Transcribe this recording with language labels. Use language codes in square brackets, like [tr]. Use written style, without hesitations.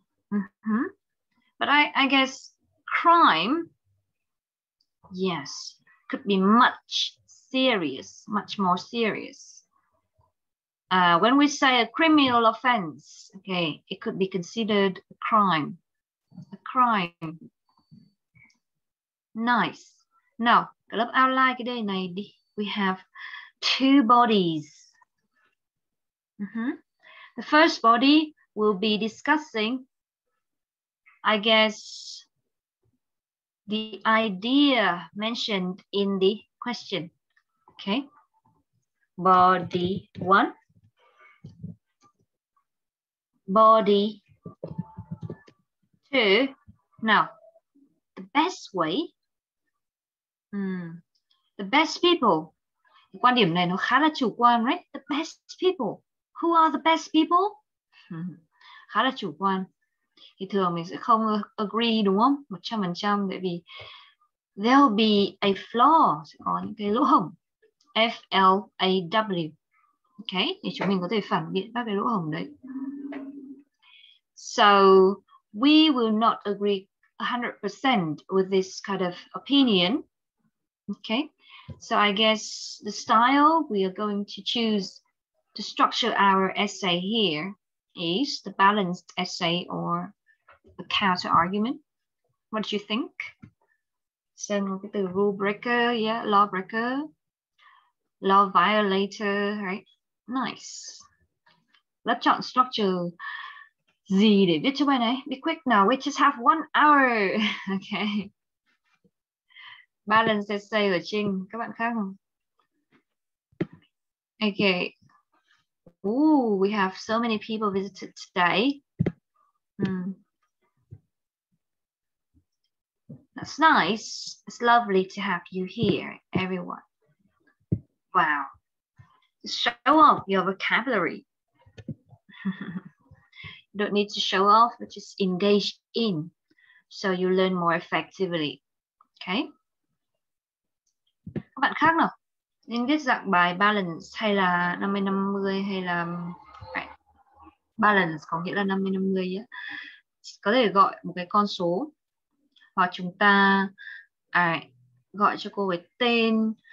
[en] But I guess crime, yes, could be much more serious. When we say a criminal offense, okay, it could be considered a crime. Nice. [vi] Now, cái lớp outline cái đề này đi. [en] We have two bodies. The first body will be discussing, I guess, the idea mentioned in the question. Okay. Body one. Body to now the best way. The best people. [vi] Quan điểm này nó khá là chủ quan, right? [en] The best people. Who are the best people? [vi] Khá là chủ quan. Thì thường mình sẽ không agree, đúng không? 100%, bởi vì [en] there'll be a flaw, [vi] sẽ có những cái lỗ hổng. F-L-A-W. Okay, thì chúng mình có thể phản biện các cái lỗ hổng đấy. [en] So, we will not agree 100% with this kind of opinion. Okay, so I guess the style we are going to choose to structure our essay here is the balanced essay or the counter argument. What do you think? [vi] Xem có cái từ [en] rule breaker, yeah, law breaker, law violator, right? Nice. [vi] Lớp chọn structure gì để viết cho bài này? [en] Be quick now, we just have 1 hour. Okay. [vi] Balanced essay ở trên các bạn khác không? [en] Okay. Ooh, we have so many people visited today. That's nice. It's lovely to have you here, everyone. Wow. Show off your vocabulary. You don't need to show off, but just engage in so you learn more effectively. [vi] Okay? Các bạn khác nào? Nên viết dạng bài balance hay là 50-50 hay là balance có nghĩa là 50-50 á. Có thể gọi một cái con số hoặc chúng ta gọi cho cô cái tên.